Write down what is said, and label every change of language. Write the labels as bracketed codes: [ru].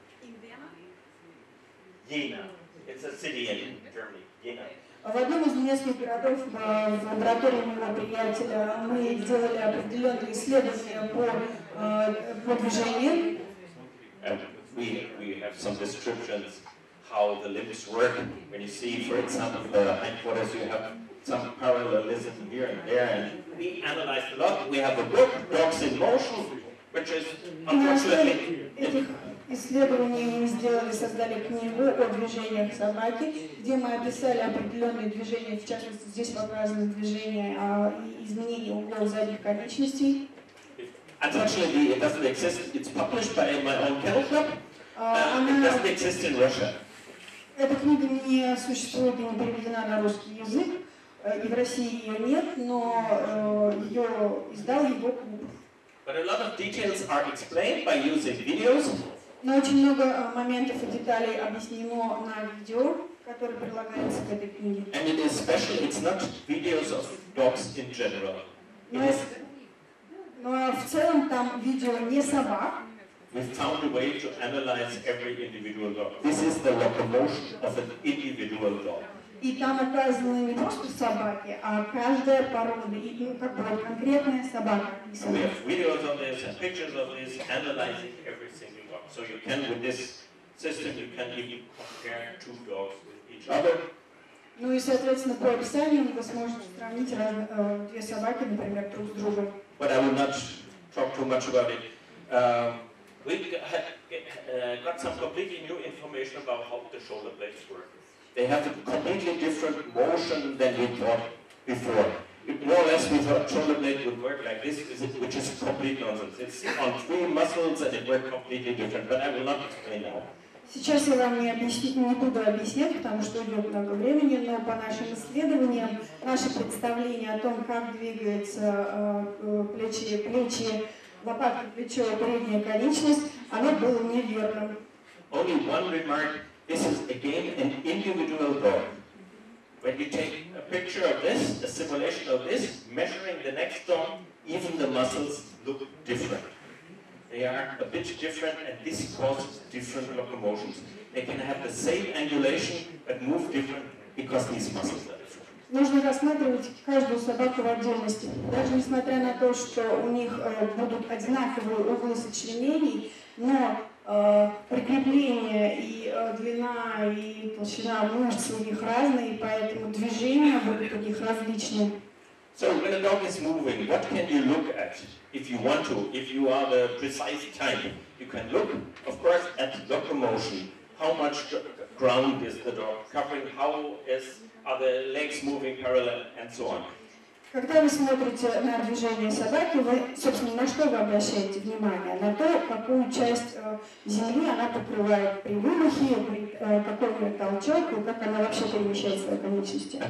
[en] In Vienna? Jena. It's a city in Germany, Jena. [ru] В одном из немецких городов, в лаборатории моего приятеля, мы делали определенные исследования по движениям. [en] And we have some descriptions how the limbs work. When you see, for example, the hindquarters, you have some parallelism here and there. And we analyzed a lot. We have a book, Dogs in Motion, which is unfortunately... [ru] Исследование мы сделали, создали книгу о движениях собаки, где мы описали определенные движения, в частности, здесь показаны движения изменения угла задних конечностей. [en] Unfortunately, it doesn't exist. It's published by my own kennel club. It doesn't exist in Russia. [ru] Эта книга не существует и не переведена на русский язык, и в России ее нет, но ее издал его клуб. [en] But a lot of details are explained by using videos. [ru] Но очень много моментов и деталей объяснено на видео, которое прилагается к этой книге. [en] And it is special, it's not videos of dogs in general. [ru] Но в целом там видео не собак. [en] We found a way to analyze every individual dog. This is the locomotion of an individual dog. [ru] И там указаны не просто собаки, а каждая порода, и как бы конкретная собака. [en] So we have videos of this and pictures of this, analyzing every single dog. So you can, with this system, you can even compare two dogs with each other. [ru] Ну и, соответственно, по описанию вы сможете сравнить две собаки, например, друг с другом. [en] But I will not talk too much about it. We got some completely new information about how the shoulder blades work. They have a completely different motion than we thought before. More or less, we thought shoulder blade would work like this, which is complete nonsense. It's on three muscles and it works completely different. But I will not explain now. [ru] Сейчас я вам не буду объяснять, потому что идет много времени, но по нашим исследованиям, наше представление о том, как двигаются плечи, лопатки, плечо, передняя конечность, оно было неверным. [en] Only one remark. This is again an individual dog. When you take a picture of this, a simulation of this, measuring the next dog, even the muscles look different. They are a bit different, and this causes different locomotions. They can have the same angulation but move different because these muscles are different. [ru] Нужно рассматривать каждую собаку в отдельности, даже несмотря на то, что у них будут одинаковые углы сочленений, но прикрепление и длина и толщина мышц у них разные, поэтому движения будут у них различные. [en] So when a dog is moving, what can you look at if you want to, if you are the precise type? You can look, of course, at locomotion. How much ground is the dog covering? How are the legs moving parallel and so on? [ru] Когда вы смотрите на движение собаки, вы, собственно, на что вы обращаете внимание? На то, какую часть земли она покрывает при вымахе, какой это толчок, и как она вообще перемещает свои конечности.